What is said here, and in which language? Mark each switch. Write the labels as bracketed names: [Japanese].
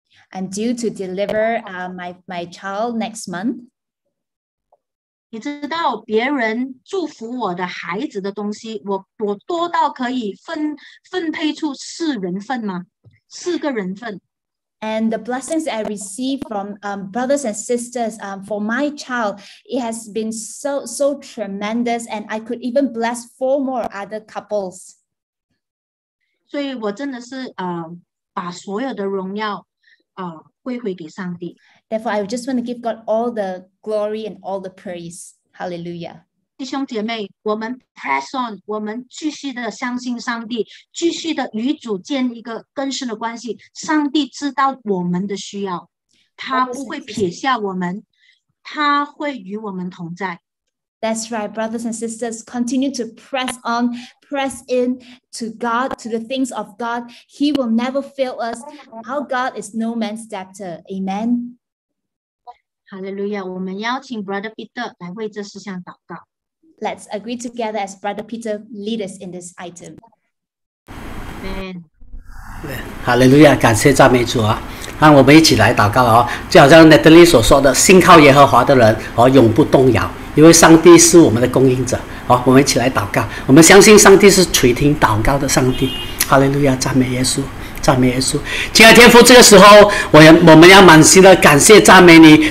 [English] I'm due to deliver my child next month. [Chinese] 你知道别人祝福我的孩子的东西，我多到可以分配出四人份吗？四个人份。 [English] And the blessings I received from brothers and sisters for my child, it has been so tremendous, and I could even bless four more other couples. [Chinese] 所以我真的是, 把所有的荣耀, 归回给上帝。 [English] Therefore, I just want to give God all the glory and all the praise. Hallelujah. [Chinese] 弟兄姐妹, 我们 [English] press on, [Chinese] 我们继续的相信上帝, 继续的与主建一个更深的关系, 上帝知道我们的需要, 祂不会撇下我们, 祂会与我们同在。 [English] That's right, brothers and sisters, continue to press on, press in to God, to the things of God. He will never fail us. Our God is no man's debtor. Amen. Hallelujah. [Chinese] 我们邀请 Brother Peter 来为这事项祷告。 [English] Let's agree together as Brother Peter lead us in this item. Amen. [Chinese] Hallelujah. 感谢赞美主啊。让我们一起来祷告哦， 就好像 Natalie 所说的， 信靠耶和华的人， 永不动摇， 因为上帝是我们的供应者， 我们一起来祷告， 我们相信上帝是垂听祷告的上帝。哈利路亚， 赞美耶稣， 赞美耶稣。亲爱的天父， 这个时候， 我们要满心的感谢赞美你。